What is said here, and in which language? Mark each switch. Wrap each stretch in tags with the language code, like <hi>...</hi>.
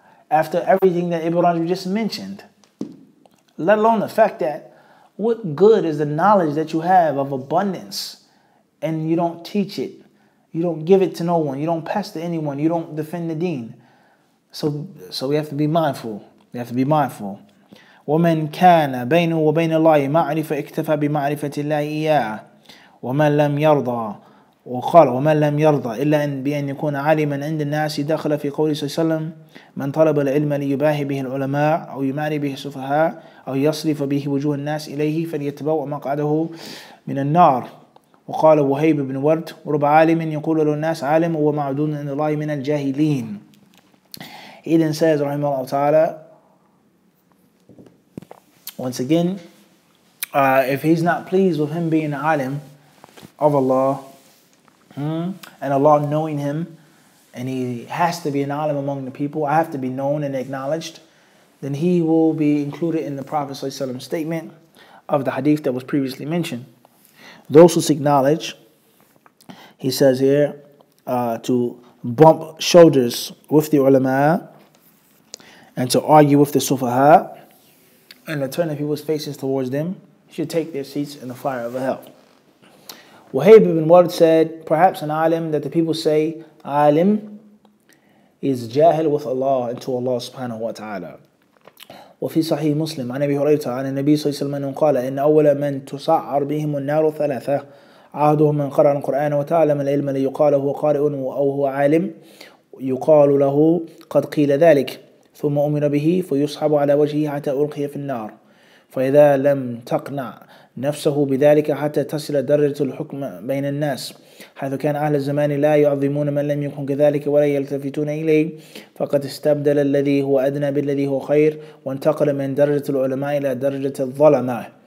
<en>After everything that Ibn Rajab just mentioned. Let alone the fact that, what good is the knowledge that you have of abundance and you don't teach it? You don't give it to no one. You don't pass to anyone. You don't defend the deen. So we have to be mindful. We have to be mindful.</en> <ar>وَمَنْ كَانَ بَيْنُ وَبَيْنَ اللَّهِ مَعْرِفَ اِكْتَفَى بِمَعْرِفَةِ اللَّهِ إِيَّاهِ وَمَنْ لَمْ يَرْضَى وقال ومن لم يرضى إلا أن بأن يكون عالما عند الناس دخل في قوله صلى الله عليه وسلم من طلب العلم ليباهي به العلماء أو يماري به السفهاء أو يصرف به وجوه الناس إليه فليتبوأ مقعده من النار. وقال وهيب بن ورد رب عالم يقول للناس عالم هو معدون عند الله من الجاهلين.</ar> <en>He then says, رحمه الله تعالى, once again, if he's not pleased with him being an alim of Allah, and Allah knowing him, and he has to be an alim among the people, I have to be known and acknowledged, then he will be included in the Prophet ﷺ statement of the hadith that was previously mentioned. Those who seek knowledge, he says here, to bump shoulders with the ulama and to argue with the sufaha and to turn the people's faces towards them, should take their seats in the fire of hell. Wahib ibn Ward said, perhaps an alim that the people say, alim, is jahil with Allah and to Allah subhanahu wa ta'ala.</en> <ar>وفي صحيح مسلم عن أبي هريرة عن النبي صلى الله عليه وسلم قال إن أول من تسعر بهم النار ثلاثة عهدهم من قرأ القرآن وتعلم العلم ليقال هو قارئ أو هو عالم يقال له قد قيل ذلك ثم أمر به فيصحب على وجهه حتى ألقي في النار فإذا لم تقنع نفسه بذلك حتى تصل درجة الحكم بين الناس حيث كان أهل الزمان لا يعظمون من لم يكن كذلك ولا يلتفتون إليه فقد استبدل الذي هو أدنى بالذي هو خير وانتقل من درجة العلماء إلى درجة الظلماء.</ar>